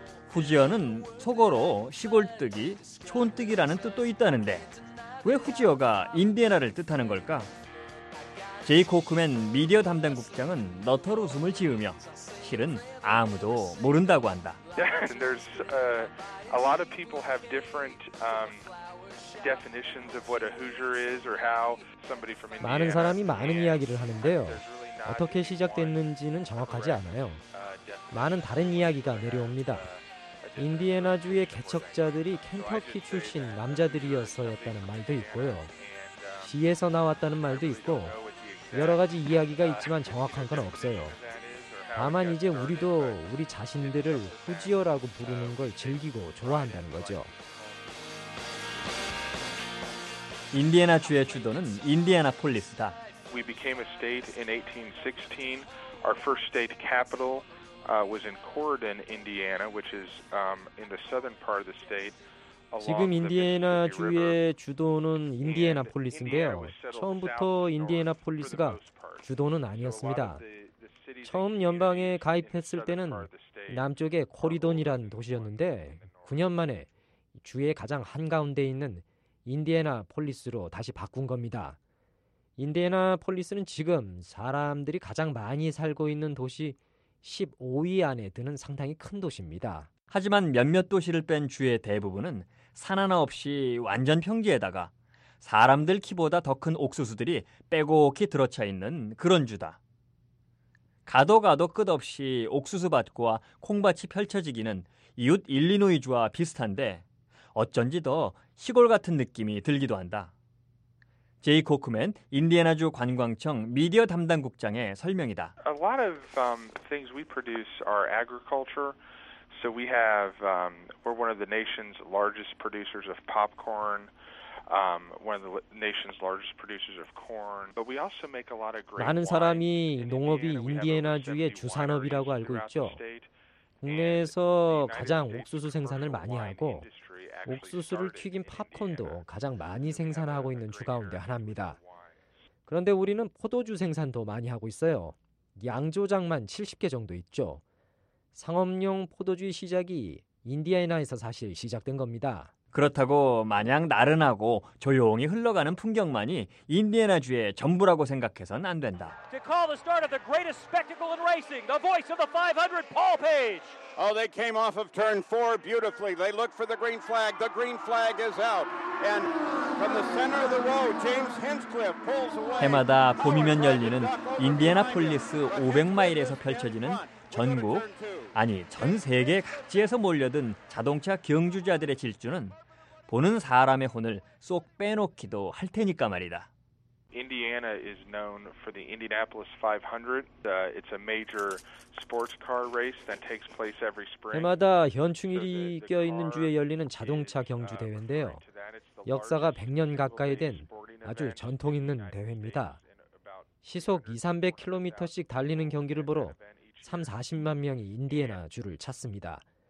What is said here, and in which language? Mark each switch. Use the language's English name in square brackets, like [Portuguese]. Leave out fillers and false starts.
[Korean] 후지어는 속어로 시골뜨기, 촌뜨기라는 뜻도 있다는데 왜 후지어가 인디애나를 뜻하는 걸까? 제이 코크맨 미디어 담당 국장은 너털 웃음을 지으며 실은 아무도 모른다고 한다. [English] There's a lot of people have different definitions of what a Hoosier is or how somebody from Indiana. [Korean] 많은 사람이 많은 이야기를 하는데요. 어떻게 시작됐는지는 정확하지 않아요. 많은 다른 이야기가 내려옵니다. 인디애나주의 개척자들이 켄터키 출신 남자들이었어였다는 말도 있고요. 시에서 나왔다는 말도 있고 여러 가지 이야기가 있지만 정확한 건 없어요. 다만 이제 우리도 우리 자신들을 후지어라고 부르는 걸 즐기고 좋아한다는 거죠. 인디애나주의 주도는 인디애나폴리스다. [English] We became a state in 1816. Our first state capital was in Corydon, Indiana, which is in the southern part of the state. [Korean] 지금 인디애나주의 주도는 인디애나폴리스인데요. 처음부터 인디애나폴리스가 주도는 아니었습니다. 처음 연방에 가입했을 때는 남쪽에 코리돈이란 도시였는데 9년 만에 주의 가장 한가운데 있는 인디애나폴리스로 다시 바꾼 겁니다. 인디애나폴리스는 지금 사람들이 가장 많이 살고 있는 도시 15위 안에 드는 상당히 큰 도시입니다. 하지만 몇몇 도시를 뺀 주의 대부분은 산 하나 없이 완전 평지에다가 사람들 키보다 더 큰 옥수수들이 빼곡히 들어차 있는 그런 주다. 가도 가도 끝없이 옥수수밭과 콩밭이 펼쳐지기는 이웃 일리노이주와 비슷한데 어쩐지 더 시골 같은 느낌이 들기도 한다. 제이 코크맨 인디애나주 관광청 미디어 담당국장의 설명이다. [English] A lot of things we produce are agriculture. So we have we're one of the nation's largest producers of popcorn. One of the nation's largest producers of corn. But we also make a lot of grain. [Korean] 많은 사람이 농업이 인디애나주의 주산업이라고 알고 있죠. 국내에서 가장 옥수수 생산을 많이 하고 옥수수를 튀긴 팝콘도 가장 많이 생산하고 있는 주 가운데 하나입니다. 그런데 우리는 포도주 생산도 많이 하고 있어요. 양조장만 70개 정도 있죠. 상업용 포도주의 시작이 인디애나에서 사실 시작된 겁니다. 그렇다고 마냥 나른하고 조용히 흘러가는 풍경만이 인디애나주의 전부라고 생각해선 안 된다. [English] To call the start of the greatest spectacle in racing, the voice of the 500, Paul Page. Oh, they came off of turn four beautifully. They looked for the green flag. The green flag is out. And from the center of the row, James Hinchcliffe pulls away. [Korean] 해마다 봄이면 열리는 인디애나폴리스 500마일에서 펼쳐지는 전국, 아니 전 세계 각지에서 몰려든 자동차 경주자들의 질주는 보는 사람의 혼을 쏙 빼놓기도 할 테니까 말이다. [English] Indiana is known for the Indianapolis 500. It's a major sports car race that takes place every spring. [Korean] 해마다 현충일이 껴 있는 주에 열리는 자동차 경주 대회인데요. 역사가 100년 가까이 된 아주 전통 있는 대회입니다. 시속 2-300km씩 달리는 경기를 보러 3-40만 명이 인디애나 주를 찾습니다.